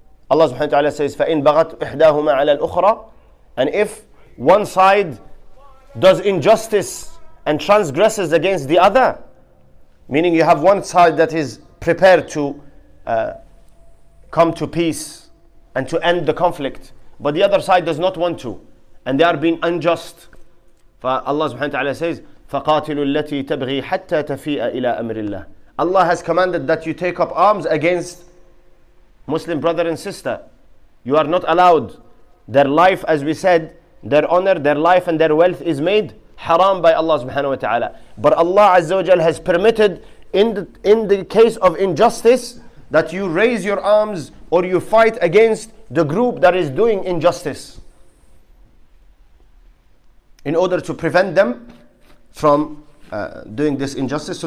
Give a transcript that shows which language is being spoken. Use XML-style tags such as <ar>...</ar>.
<en>Allah subhanahu wa ta'ala says,</en> <ar>فَإِن بَغَتْ إِحْدَاهُمَا عَلَى الْأُخْرَى.</ar> <en>And if one side does injustice and transgresses against the other, meaning you have one side that is prepared to come to peace and to end the conflict, but the other side does not want to, and they are being unjust. Allah subhanahu wa ta'ala says,</en> <ar>فَقَاتِلُوا الَّتِي تَبْغِي حَتَّى تَفِيئَ إِلَىٰ أَمْرِ اللَّهِ.</ar> <en>Allah has commanded that you take up arms against Muslim brother and sister. You are not allowed. Their life, as we said, their honor, their life and their wealth is made haram by Allah subhanahu wa ta'ala. But Allah azza wa jal has permitted in the case of injustice that you raise your arms or you fight against the group that is doing injustice in order to prevent them from doing this injustice.</en>